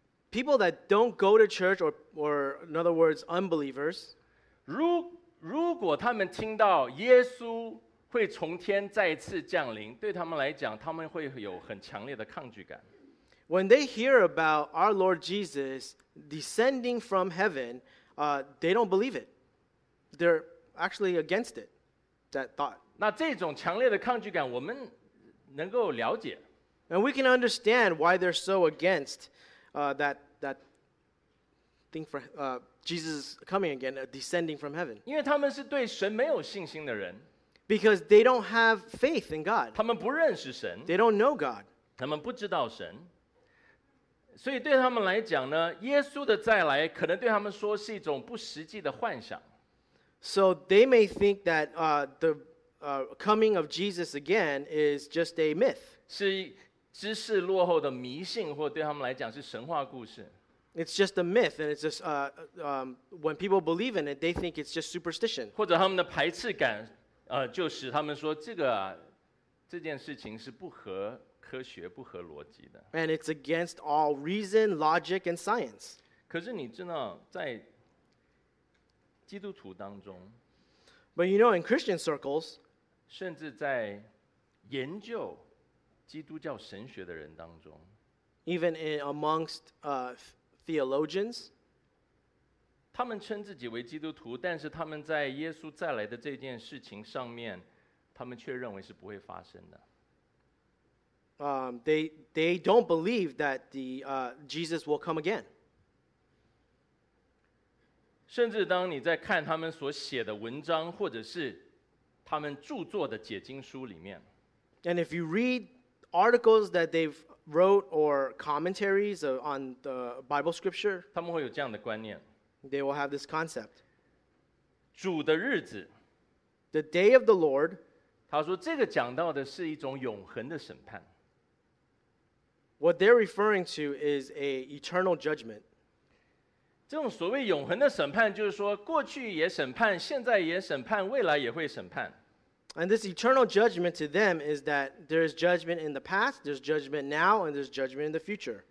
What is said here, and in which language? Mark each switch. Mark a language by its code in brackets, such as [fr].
[en] people that don't go to church or in other words, unbelievers, [zh] 如果他们听到耶稣会从天再次降临对他们来讲他们会有很强烈的抗拒感 [en] When they hear about our Lord Jesus descending from heaven, they don't believe it. They're actually against it, that thought. [zh] 那这种强烈的抗拒感我们能够了解。 [en] And we can understand why they're so against that thing for Jesus coming again, descending from heaven. [zh] 因为他们是对神没有信心的人。 [en] Because they don't have faith in God. [zh] 他们不认识神。 [en] They don't know God. [zh] 他们不知道神。所以对他们来讲呢，耶稣的再来可能对他们说是一种不实际的幻想。 [en] So they may think that coming of Jesus again is just a myth. [zh] 是知识落后的迷信，或对他们来讲是神话故事。 [en] It's just a myth, and it's just when people believe in it, they think it's just superstition. [zh] 或者他们的排斥感，就使他们说这个这件事情是不合科学、不合逻辑的。 [en] And it's against all reason, logic, and science. [zh] 可是你知道在。基督徒当中 [en] But you know, in Christian circles, [zh] 甚至在研究基督教神学的人当中 [en] even in amongst theologians, [zh] 他们称自己为基督徒，但是他们在耶稣再来的这件事情上面，他们却认为是不会发生的。 [en] They don't believe that Jesus will come again. [zh] 甚至当你在看他们所写的文章或者是他们著作的解经书里面 [en] And if you read articles that they've wrote or commentaries on the Bible scripture [zh] 他们会有这样的观念 [en] They will have this concept [zh] 主的日子 [en] The day of the Lord [zh] 他说这个讲到的是一种永恒的审判 [en] What they're referring to is an eternal judgment [zh] 这种所谓永恒的审判就是说过去也审判现在也审判未来也会审判 [en] And this eternal judgment to them is that there is judgment in the past, there's judgment now, and there's judgment in the future.